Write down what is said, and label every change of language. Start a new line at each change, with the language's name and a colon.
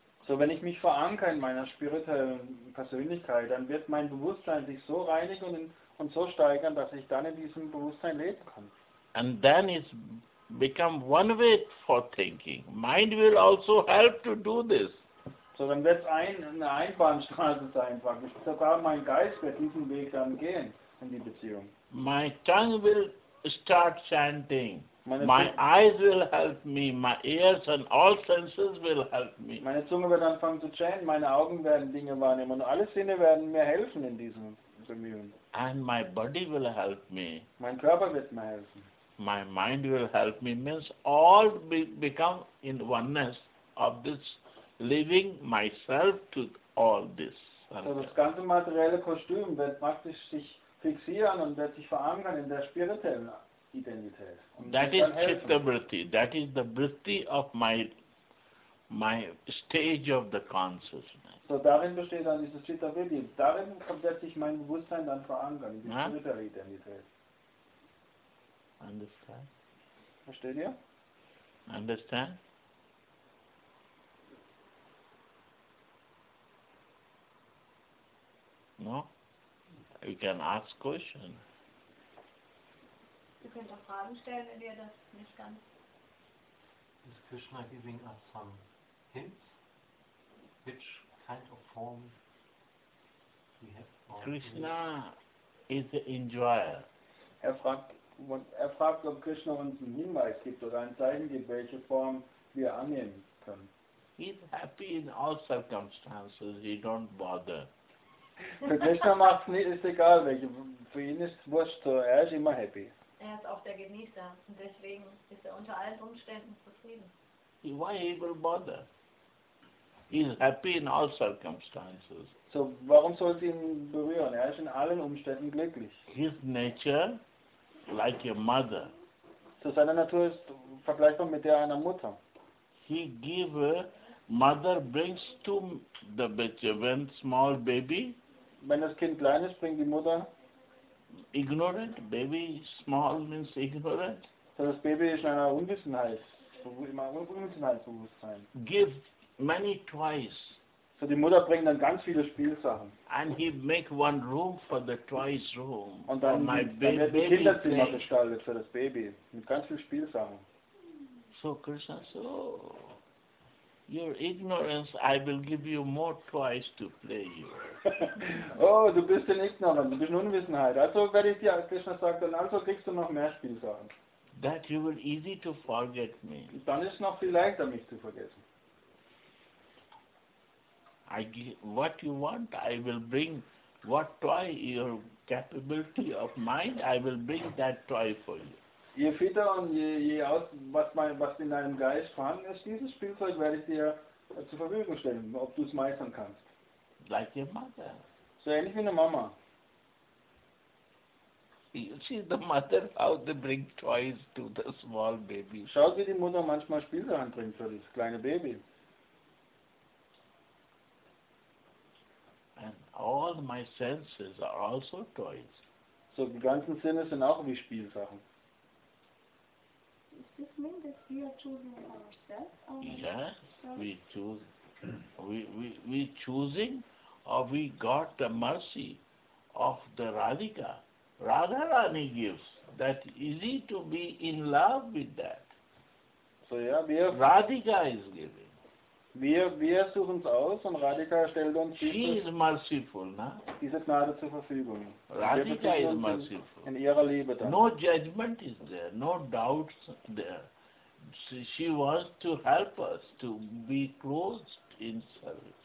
German: So wenn ich mich verankere in meiner spirituellen Persönlichkeit, dann wird mein Bewusstsein sich so reinigen und so steigern, dass ich dann in diesem Bewusstsein leben kann.
English: And then it's become one way for thinking. Mind will also help to do this.
German: So dann wird es eine Einbahnstraße sein, praktisch. Sogar mein Geist wird diesen Weg dann gehen in die Beziehung.
English: My tongue will start chanting. My eyes will help me. My ears and all senses will help me.
German: Meine Zunge wird anfangen zu chanten. Meine Augen werden Dinge wahrnehmen. Und alle Sinne werden mir helfen in diesem Bemühen.
English: And my body will help me.
German: Mein Körper wird mir helfen.
English: My mind will help me. Means all become in oneness of this. Living myself to all this.
German: So das ganze materielle Kostüm wird praktisch sich fixieren und wird sich verankern in der spirituellen Identität.
English: That is chitta vritti. That is the vritti of my stage of the consciousness.
German: So darin besteht dann dieses chitta vritti. Darin wird sich mein Bewusstsein dann verankern in die spirituelle Identität.
English: Understand?
German: Versteht ihr?
English: Understand? No? You can ask question.
German: Du könnt auch Fragen stellen, wenn ihr das nicht ganz.
English: Is Krishna giving us some hints? Which kind of form we have for Krishna is the enjoyer.
German: Er fragt, ob Krishna uns einen Hinweis gibt oder ein Zeichen gibt, welche Form wir annehmen können.
English: He's happy in all circumstances, he don't bother.
German: Für Krishna macht es nicht, ist egal welche. Für ihn ist es wurscht, so. Er ist immer happy. Er ist auch der Genießer und deswegen ist er unter allen Umständen zufrieden.
English: Why he will bother? He is happy in all circumstances.
German: So, warum soll es ihn berühren? Er ist in allen Umständen glücklich.
English: His nature like a mother.
German: So, seine Natur ist vergleichbar mit der einer Mutter.
English: He give Mother brings to the children small baby.
German: Wenn das Kind klein ist, bringt die Mutter.
English: Ignorant baby, small means ignorant.
German: So das Baby ist in einer Unwissenheit, immer Unwissenheitsbewusstsein.
English: Give many toys.
German: So die Mutter bringt dann ganz viele Spielsachen.
English: And he make one room for the toys room.
German: Und dann,
English: my
German: dann wird ein Kinderzimmer
English: play.
German: Gestaltet für das Baby mit ganz viel Spielsachen.
English: So Krishna, so your ignorance, I will give you more toys to play you.
German: Oh, du bist in Ignorance, du bist in Unwissenheit. Also werde ich dir, als Krishna sagt, dann also kriegst du noch mehr Spielsachen.
English: That you will easy to forget me.
German: Dann ist es noch viel leichter, mich zu vergessen.
English: I give what you want, I will bring what toy your capability of mind, I will bring that toy for you.
German: Je fitter und je aus, was in deinem Geist vorhanden ist, dieses Spielzeug werde ich dir zur Verfügung stellen, ob du es meistern kannst.
English: Like your mother.
German: So ähnlich wie eine Mama.
English: You see the mother, how they bring toys to the small baby.
German: Schau, wie die Mutter manchmal Spielsachen bringt für das kleine Baby.
English: And all my senses are also toys.
German: So die ganzen Sinne sind auch wie Spielsachen.
English: Does this mean that we are choosing ourselves? Yes, we choosing or we got the mercy of the Radhika. Radharani gives that easy to be in love with that. So yeah, we are Radhika is giving.
German: Wir suchen es aus und Radhika stellt uns
English: she
German: dieses,
English: is merciful, na?
German: Diese Gnade zur Verfügung.
English: Radhika is merciful.
German: In ihrer Liebe dann.
English: No judgment is there, no doubts there. She wants to help us to be closed in service.